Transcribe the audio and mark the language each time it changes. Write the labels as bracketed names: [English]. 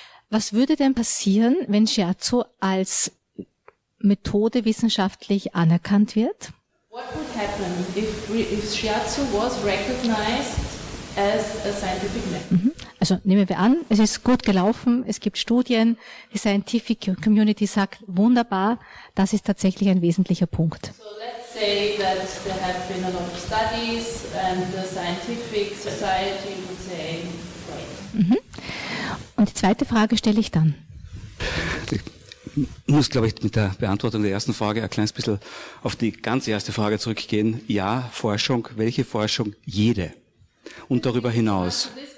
[German] Was würde denn passieren, wenn Shiatsu als Methode wissenschaftlich anerkannt wird? [English] What would happen if Shiatsu was recognized as a scientific method? Mm-hmm. [German] Also nehmen wir an, es ist gut gelaufen, es gibt Studien, die Scientific Community sagt, wunderbar, das ist tatsächlich ein wesentlicher Punkt. [English] So let's say that there have been a lot of studies and the scientific society would say, great. [German] Mhm. Und die zweite Frage stelle ich dann. Ich muss, glaube ich, mit der Beantwortung der ersten Frage ein kleines bisschen auf die ganz erste Frage zurückgehen. Ja, Forschung, welche Forschung? Jede. Und darüber hinaus.